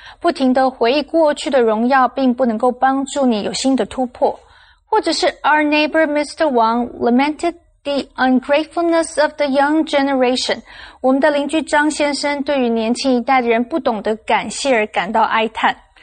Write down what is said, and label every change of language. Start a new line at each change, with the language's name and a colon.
Chinese: 不停地回忆过去的荣耀并不能够帮助你有新的突破。或者是
English: our neighbor Mr. Wang lamented the ungratefulness of the young generation.
Chinese: 我们的邻居张先生对于年轻一代的人不懂得感谢而感到哀叹。